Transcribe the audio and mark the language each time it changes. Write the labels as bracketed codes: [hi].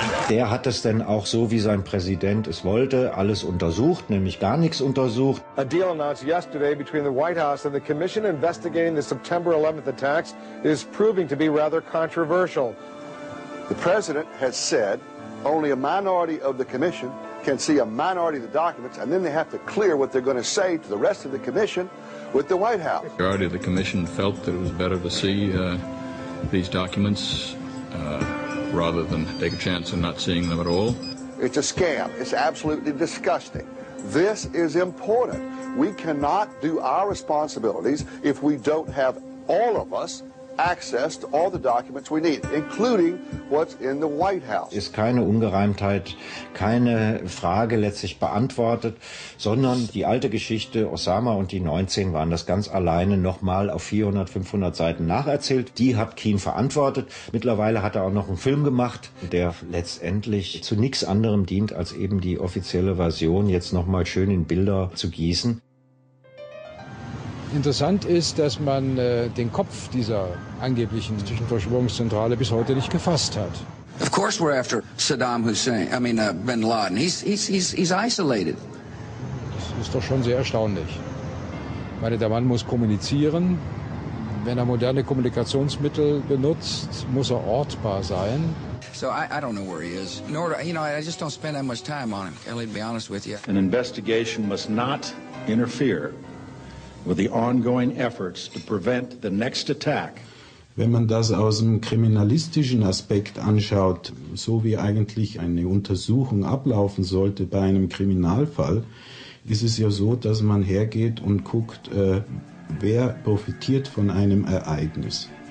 [de] Der hat es denn auch so, wie sein Präsident es wollte, alles untersucht, nämlich gar nichts untersucht. [en] A deal announced yesterday between the White House and the commission investigating the September 11th attacks is proving to be rather controversial. The president has said only a minority of the commission can see a minority of the documents, and then they have to clear what they're going to say to the rest of the commission with the White House. The majority of the commission felt that it was better to see these documents rather than take a chance on not seeing them at all? It's a scam. It's absolutely disgusting. This is important. We cannot do our responsibilities if we don't have all of us access to all the documents we need, including what's in the White House. [de] Ist keine Ungereimtheit, keine Frage letztlich beantwortet, sondern die alte Geschichte Osama und die 19 waren das ganz alleine nochmal auf 400, 500 Seiten nacherzählt. Die hat Keane verantwortet. Mittlerweile hat er auch noch einen Film gemacht, der letztendlich zu nichts anderem dient, als eben die offizielle Version jetzt nochmal schön in Bilder zu gießen. Interessant ist, dass man den Kopf dieser angeblichen Verschwörungszentrale bis heute nicht gefasst hat. [en] Of course we're after Saddam Hussein, Bin Laden. He's isolated. [de] Das ist doch schon sehr erstaunlich. Ich meine, der Mann muss kommunizieren. Wenn er moderne Kommunikationsmittel benutzt, muss er ortbar sein. [en] So I don't know where he is. Nor, you know, I just don't spend that much time on him. Kelly, to be honest with you. An investigation must not interfere with the ongoing efforts to prevent the next attack. [de] Wenn man das aus dem kriminalistischen Aspekt anschaut, so wie eigentlich eine Untersuchung ablaufen sollte bei einem Kriminalfall, ist es ja so, dass man hergeht und guckt, wer profitiert von einem Ereignis.